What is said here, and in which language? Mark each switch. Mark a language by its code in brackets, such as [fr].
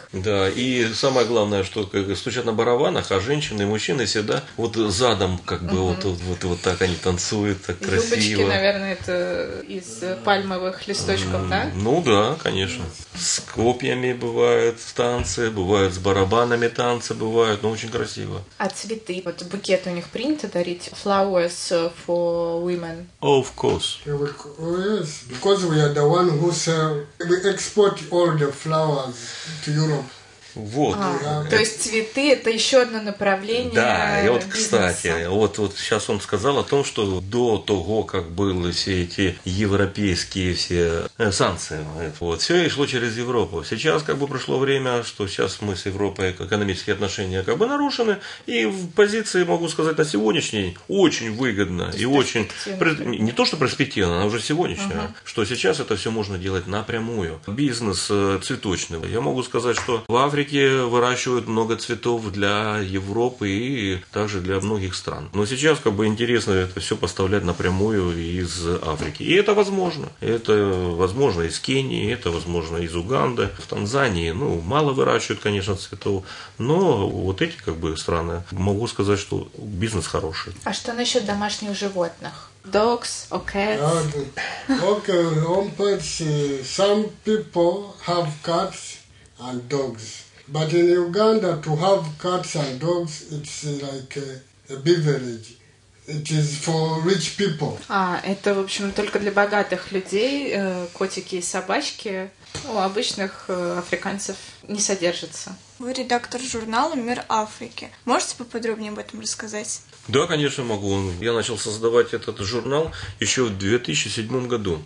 [ru] Да, и самое главное, что как стучат на барабанах, а женщины и мужчины всегда вот задом как бы вот так они танцуют, так красиво. Юбочки, наверное, это из пальмовых листочков, да? Ну да, конечно. С копьями бывают танцы, бывают с барабанами танцы, бывают, но очень красиво. А цветы, вот букеты у них принято дарить? [en] Flowers for women? Of course. Yes, because we are the one who sell, we export all the flowers to Europe. [ru] Вот. То есть цветы — это еще одно направление. Да, и вот, кстати, вот сейчас он сказал о том, что до того, как были все эти европейские все санкции, вот, все шло через Европу. Сейчас как бы прошло время, что сейчас мы с Европой экономические отношения как бы нарушены, и в позиции, могу сказать, на сегодняшний очень выгодно и очень не то что перспективно, она уже сегодняшняя, что сейчас это все можно делать напрямую. Бизнес цветочный. Я могу сказать, что в Африке выращивают много цветов для Европы и также для многих стран. Но сейчас как бы интересно это все поставлять напрямую из Африки. И это возможно. Это возможно из Кении, это возможно из Уганды. В Танзании, ну, мало выращивают, конечно, цветов. Но вот эти как бы страны, могу сказать, что бизнес хороший. А что насчет домашних животных? [en] Dogs or cats? Okay, on pets, some people have cats. And dogs, but in Uganda to have cats and dogs, it's like a beverage. It is for rich people. [ru] А это, в общем, только для богатых людей котики и собачки. У обычных африканцев не содержатся. Вы редактор журнала «Мир Африки». Можете поподробнее об этом рассказать? Да, конечно, могу. Я начал создавать этот журнал еще в 2007 году.